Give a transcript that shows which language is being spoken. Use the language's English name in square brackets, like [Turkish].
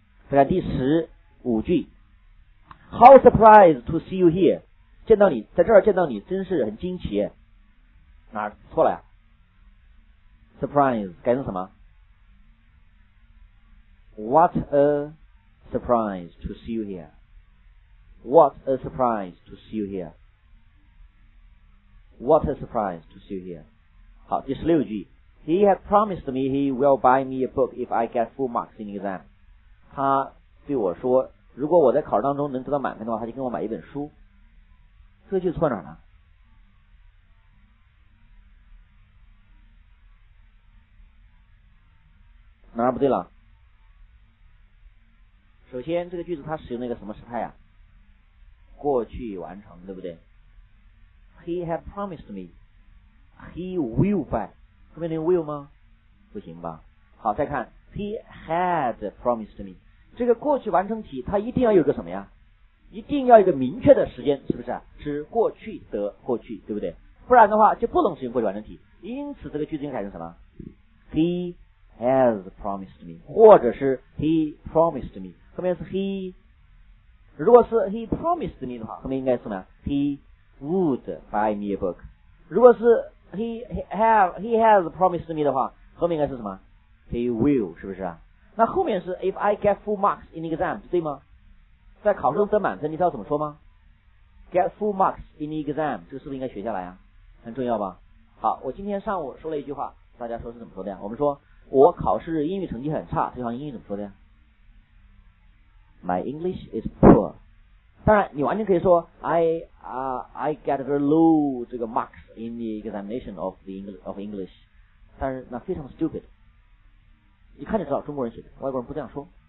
[Chinese] 再看第十五句， [English] How surprised to see you here， [Chinese] 见到你在这儿，见到你真是很惊奇。哪儿错了呀？ Surprise 改成什么？ [English] What a surprise to see you here， What a surprise to see you here， What a surprise to see you here。好， [Chinese] 第十六句， [English] He had promised me he will buy me a book if I get full marks in exam。 [Chinese] 他对我说如果我在考试当中能得到满分的话，他就给我买一本书。这句错哪了？哪儿不对了？首先，这个句子它使用那个什么时态啊？过去完成，对不对 ？ [English] He had promised me he will buy， [Chinese] 后面那个 will 吗？不行吧？ [English] 好，再看 he had promised me。 [Chinese] 这个过去完成体它一定要有个什么呀，一定要有个明确的时间，是不是指过去的过去，对不对？不然的话就不能使用过去完成体。因此这个句子应该改成什么？ [English] He has promised me， [Chinese] 或者是 [English] He promised me， [Chinese] 后面是 He， 如果是 He promised me 的话，后面应该是什么？ [English] He would buy me a book。 [Chinese] 如果是 He has promised me 的话，后面应该是什么？ [English] He will， 是不是啊？ [Chinese] 那后面是 [English] If I get full marks in exam， [Chinese] 对吗？在考试中得满分，你知道怎么说吗？ [English] Get full marks in exam， [Chinese] 这个是不是应该学下来啊？很重要吧。好，我今天上午说了一句话，大家说是怎么说的呀？我们说我考试英语成绩很差，这句话英语怎么说的呀？ [English] My English is poor。 [Chinese] 当然你完全可以说 [English] I get very low [Chinese] 这个 [English] marks in the examination of the English， [Chinese] 但是那非常 stupid，一看就知道中国人写的，外国人不这样说。